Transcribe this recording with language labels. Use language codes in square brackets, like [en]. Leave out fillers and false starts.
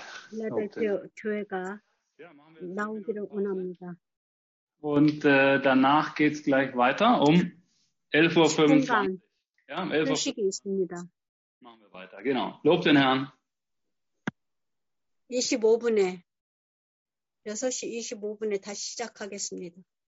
[ko] 빌라델피아 교회가 나오기를 원합니다. [de] Und danach geht es gleich weiter um 11.25 Uhr. Ja, um 11.25 Uhr. Machen wir weiter, genau. Lob den Herrn. [ko] 25분에, 6시 25분에 다시 시작하겠습니다.